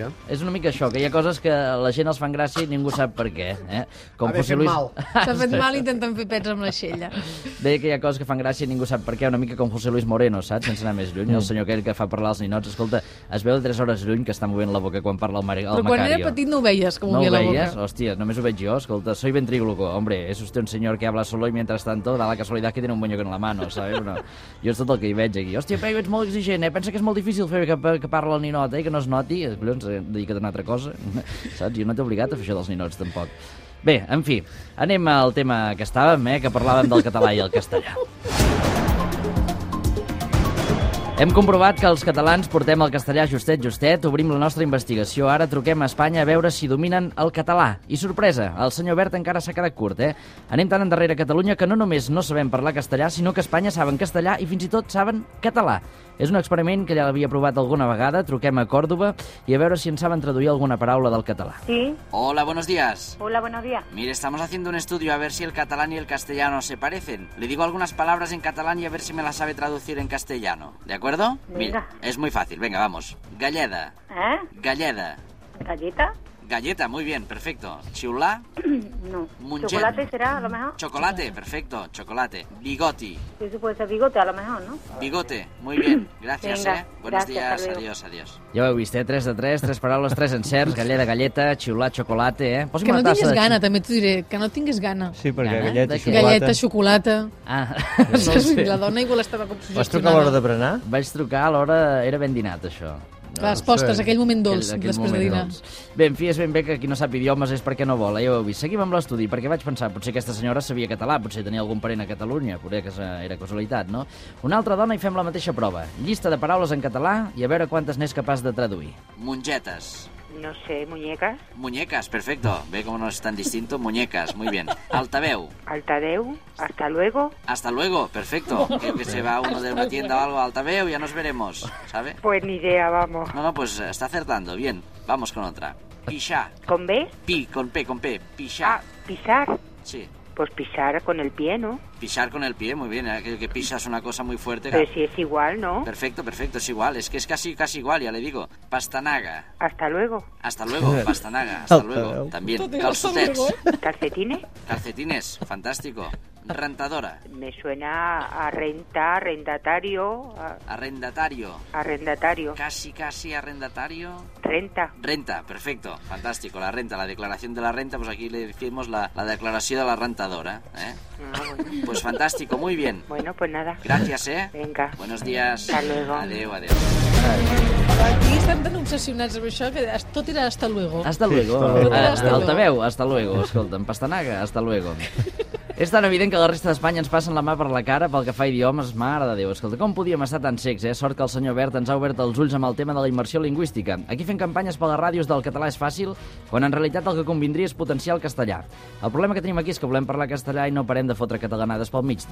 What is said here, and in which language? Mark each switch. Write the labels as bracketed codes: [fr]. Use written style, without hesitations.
[ca] És una mica això, que hi ha coses que la gent els fan gràcia i ningú sap per què, eh? Com haver fet Lluís... mal. S'ha fet mal intentant fer pets amb l'aixella. Deia que hi ha coses que fan gràcia i ningú sap per què, una mica com José Luis Moreno, saps? Sense anar més lluny, el senyor aquell que fa parlar els ninots, escolta, es veu de 3 hores lluny que està movent la boca quan parla el Macario. Però quan era petit no ho veies, com movia la boca. No ho veies? Hòstia, només ho veig jo, escolta, [es] soy ventrígloco, hombre, es usted un señor que habla solo y mientras tanto da la casualidad que tiene un muñeco en la mano, ¿sabes? [ca] No. Jo és tot el que hi veig aquí. Hòstia, Peyu, ets molt exigent, eh? Pensa que és molt difícil fer que parli el ninot, eh? Que no es noti, collons, dedica't a una altra cosa, saps? Jo no t'he obligat a fer això dels ninots, tampoc. Bé, en fi, anem al tema que estàvem, eh? Que parlàvem del català i el castellà. Hem comprovat que els catalans portem el castellà justet, obrim la nostra investigació, ara truquem a Espanya a veure si dominen el català. I sorpresa, el senyor Wert encara s'ha quedat curt, eh? Anem tan endarrere a Catalunya que no només no sabem parlar castellà, sinó que a Espanya saben castellà i fins i tot saben català. És un experiment que ja l'havia provat alguna vegada, truquem a Còrdoba i a veure si ens saben traduir alguna paraula del català. Sí. [es] Hola, buenos días. Hola, buenos días. Mire, estamos haciendo un estudio a ver si el catalán y el castellano se parecen. Le digo algunas palabras en catalán y a ver si me las sabe traducir en castellano. ¿De acuerdo? Venga. Mira, es muy fácil, venga, vamos. Galleda. ¿Eh? Galleda. ¿Galleta? Galleta, muy bien, perfecto. ¿Chiulá? No. Munchen. ¿Chocolate será, a lo mejor? Chocolate, perfecto, chocolate. Bigoti. Sí, eso puede ser bigote, a lo mejor, ¿no? Bigote, muy bien. Gracias, venga, ¿eh? Buenos días, adiós, adiós. [ca] Ja ho heu vist, eh? 3 de 3, 3 paraules, 3 encerts. Galleta, galleta, xiulà, xocolate, eh? Posi'm que no tingués de... gana, també t'ho diré. Que no tingués gana. Sí, perquè gana? Galleta, xocolata. Galleta, xocolata. Ah. No sé. La dona igual estava com sugestionada. Vas trucar a l'hora de berenar? Vaig trucar a l'hora, era ben dinat, això. Les postres, aquell moment dolç, després de dinar. Bé, en fi, és ben bé que qui no sap idiomes és perquè no vol, ja ho heu vist. Seguim amb l'estudi, perquè vaig pensar, potser aquesta senyora sabia català, potser tenia algun parent a Catalunya, potser que era casualitat, no? Una altra dona i fem la mateixa prova. Llista de paraules en català i a veure quantes n'és capaç de traduir. [es] Mongetes. No sé, muñecas. Muñecas, perfecto. Ve como no es tan distinto. Muñecas, muy bien. Altaveu. Altaveu. Hasta luego. Hasta luego, perfecto. Creo que se va uno de una tienda o algo. Altaveu, ya nos veremos, ¿sabe? Pues ni idea, vamos. No, pues está acertando. Bien, vamos con otra. Pixá. ¿Con B? Pi, con P. Pixá. Ah, pisar. Sí. Pues pisar con el pie, ¿no? Pisar con el pie, muy bien, aquello que pisas una cosa muy fuerte. Pero si es igual, ¿no? Perfecto, perfecto, es igual, es que es casi igual, ya le digo. Pastanaga. Hasta luego. Hasta luego, pastanaga, hasta luego. También, calcetets. ¿Calcetines? Calcetines, fantástico. Rentadora. Me suena a renta, arrendatario. Arrendatario. Arrendatario. Casi arrendatario. Renta. Renta, perfecto, fantástico. La renta, la declaración de la renta, pues aquí le decimos la declaración de la rentadora, ¿eh? Pues fantástico, muy bien. Bueno, pues nada. Gracias, ¿eh? Venga. Buenos días. Hasta luego. Adiós, adiós. [ca] Aquí estem tan obsessionats amb això que tot era [es] hasta luego. Hasta luego. Hasta luego. [ca] Altaveu, [es] hasta luego. [ca] Escolta, en pastanaga, [es] hasta luego. [ca] És tan evident que la resta d'Espanya ens passen la mà per la cara pel que fa idiomes, mare de Déu. Escolta, com podíem estar tan secs, eh? Sort que el senyor Bert ens ha obert els ulls amb el tema de la immersió lingüística. Aquí fent campanyes per les ràdios del català és fàcil, quan en realitat el que convindria és potenciar el castellà. El problema que tenim aquí és que volem parlar castellà i no parem de fotre catalanades pel mig.